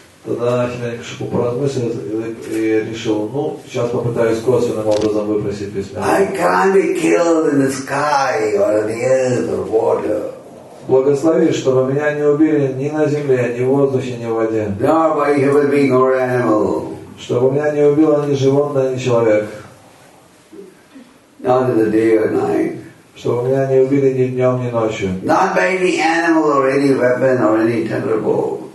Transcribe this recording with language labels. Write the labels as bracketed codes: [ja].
[ru] Тогда Хиранькашипу поразмыслил и решил, ну, сейчас попытаюсь косвенным образом выпросить бессмертие. [en] I can't be killed in the sky or in the earth or water. [ru] Благослови, чтобы меня не убили ни на земле, ни в воздухе, ни в воде. [en] Nor by human being or animal. [ru] Чтобы меня не убило ни животное, ни человек. [en] Not in the day or night. [ru] Чтобы меня не убили ни днем, ни ночью. [en] Not by any animal or any weapon or any thunderbolt.